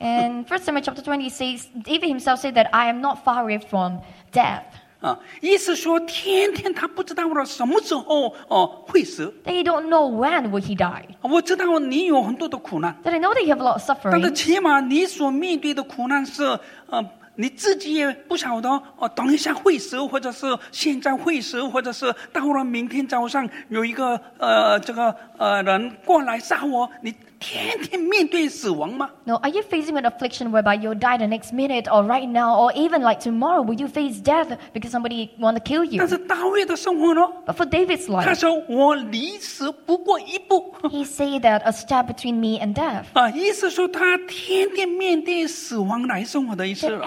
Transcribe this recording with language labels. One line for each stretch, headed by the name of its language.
English: And 1 Samuel chapter 20 says, David himself said that I am not far away from death.
Chinese: 意思说天天他不知道我什么时候会死。
English: That he don't know when will he die.
Chinese: 我知道你有很多的苦难。
English: That I know that you have a lot of suffering.
Chinese: 但是起码你所面对的苦难是你自己也不晓得等一下会死或者是现在会死或者是到了明天早上有一个人过来杀我你。天天面对死亡吗?
English: No, are you facing an affliction whereby you'll die the next minute or right now or even like tomorrow? Will you face death because somebody want to kill you?
Chinese: 但是大卫的生活呢?
English: But for David's life,
Chinese: 他说我离死不过一步。
English: He say that a step between me and death.
Chinese: 意思说他天天面对死亡来生活的意思了。